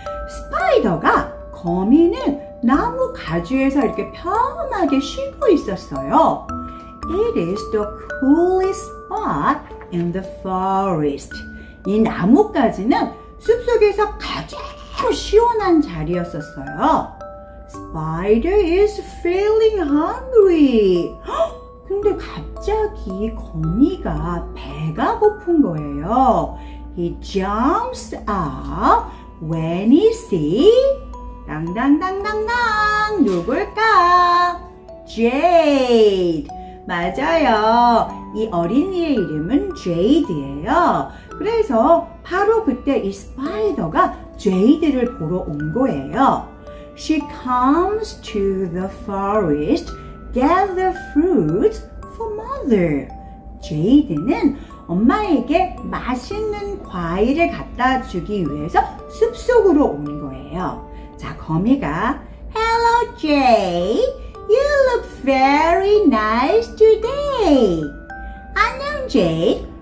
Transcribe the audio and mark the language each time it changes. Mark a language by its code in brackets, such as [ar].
[ko] 스파이더가, 거미는 나무 가지에서 이렇게 편하게 쉬고 있었어요. [en] It is the coolest spot in the forest. [ko] 이 나뭇가지는 숲속에서 가장 시원한 자리였었어요. [en] Spider is feeling hungry. [ko] 근데 갑자기 거미가 배가 고픈 거예요. [en] He jumps up when he sees [ko] 당당당당당 누굴까? Jade. 맞아요. 이 어린이의 이름은 제이드예요. 그래서 바로 그때 이 스파이더가 제이드를 보러 온 거예요. [en] She comes to the forest, gather fruits for mother. [ko] 제이드는 엄마에게 맛있는 과일을 갖다 주기 위해서 숲속으로 온 거예요. 자, 거미가 [en] Hello, Jade. You look very nice today. [ko] 안녕, 제이드.